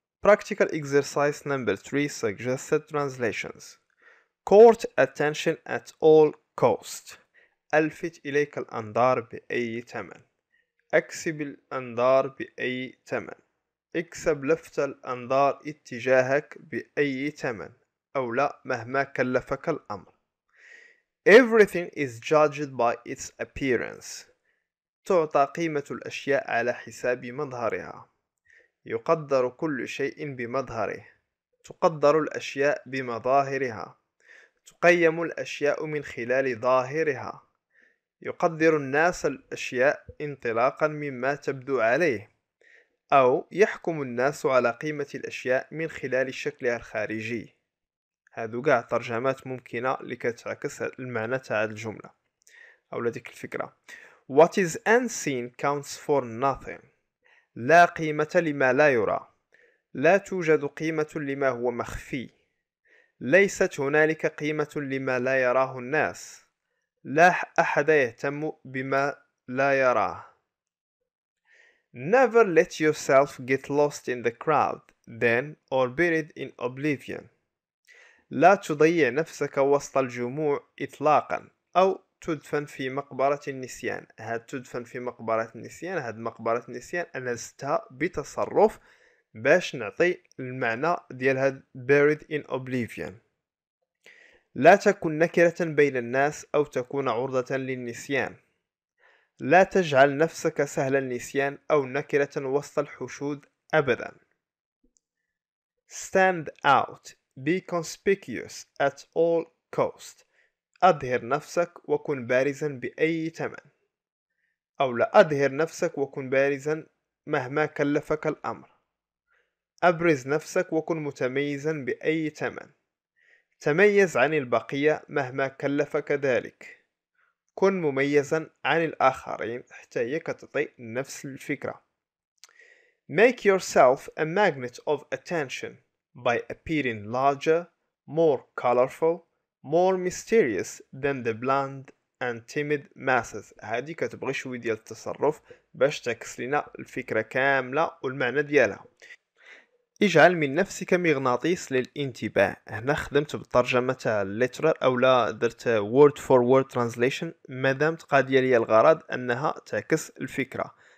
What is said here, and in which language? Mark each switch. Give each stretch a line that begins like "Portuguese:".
English: Practical exercise number 3 suggested translations. Court attention at all cost.
Arabic: ألفت إليك الأنظار بأي ثمن. أكسب الأنظار بأي ثمن. اكسب لفت الأنظار اتجاهك بأي ثمن أو لا مهما كلفك الأمر.
English: Everything is judged by its appearance.
Arabic: تعطى قيمة الأشياء على حساب مظهرها. يقدر كل شيء بمظهره. تقدر الأشياء بمظاهرها. تقيم الأشياء من خلال ظاهرها. يقدر الناس الأشياء انطلاقا مما تبدو عليه. أو يحكم الناس على قيمة الأشياء من خلال شكلها الخارجي. هذو قاع ترجمات ممكنة لكتعكس المعنى تاع الجملة أو لديك الفكرة.
English: What is unseen counts for nothing.
Arabic: لا قيمة لما لا يرى. لا توجد قيمة لما هو مخفي. ليست هنالك قيمة لما لا يراه الناس. لا أحد يهتم بما لا يراه.
English: Never let yourself get lost in the crowd, then, or buried in oblivion.
Arabic: لا تضيع نفسك وسط الجموع إطلاقا أو تدفن في مقبرة النسيان. هاد تدفن في مقبرة النسيان، هاد مقبرة النسيان أنا زدتها بتصرف باش نعطي المعنى ديال هاد
English: buried in oblivion.
Arabic: لا تكون نكرة بين الناس أو تكون عرضة للنسيان. لا تجعل نفسك سهل النسيان أو نكرة وسط الحشود أبدا.
English: Stand out. Be conspicuous at all cost.
Arabic: أظهر نفسك وكن بارزا بأي ثمن. أو لا أظهر نفسك وكن بارزا مهما كلفك الأمر. أبرز نفسك وكن متميزا بأي ثمن. تميز عن البقية مهما كلفك ذلك. كن مميزا عن الآخرين حتى يكتطي نفس الفكرة.
English: Make yourself a magnet of attention by appearing larger, more colorful, more mysterious than the bland and timid masses.
Arabic: هذه كتبغي شوي ديال التصرف باش تعكس لنا الفكرة كاملة والمعنى ديالها. اجعل من نفسك مغناطيس للانتباه. هنا خدمت بالترجمة تاع الليتر او لا درت
English: word for word translation
Arabic: مادام تقاضي لي الغرض انها تعكس الفكرة.